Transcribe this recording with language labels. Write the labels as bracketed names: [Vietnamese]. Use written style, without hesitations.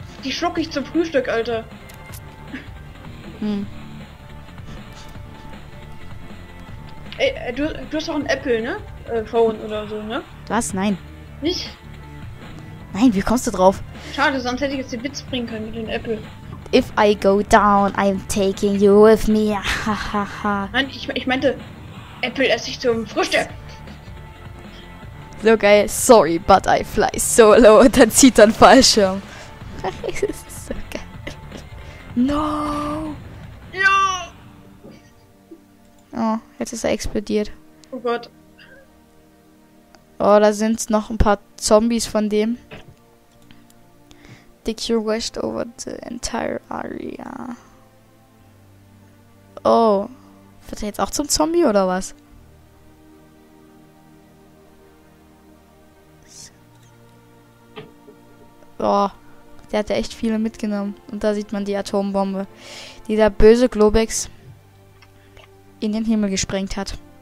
[German] Die schluck ich zum Frühstück, Alter. Ey, du hast doch ein Apple, ne? Phone oder so, ne? Was? Nein. Nicht? Nein, wie kommst du drauf? Schade, sonst hätte ich jetzt den Witz bringen können mit dem Apple. [English] If I go down, I'm taking you with me. [German] Nein, ich meinte, Apple esse ich zum Frühstück. So geil, [English] sorry, but I fly solo. [German] Und dann zieht er einen Fallschirm. Das ist so geil. No! [English] No! [German] Oh, jetzt ist er explodiert. Oh Gott. Oh, da sind noch ein paar Zombies von dem. [English] Dick, you rushed over the entire area. Oh. [German] Wird er jetzt auch zum Zombie oder was? Boah. Der hat ja echt viele mitgenommen. Und da sieht man die Atombombe, die der böse Globex in den Himmel gesprengt hat.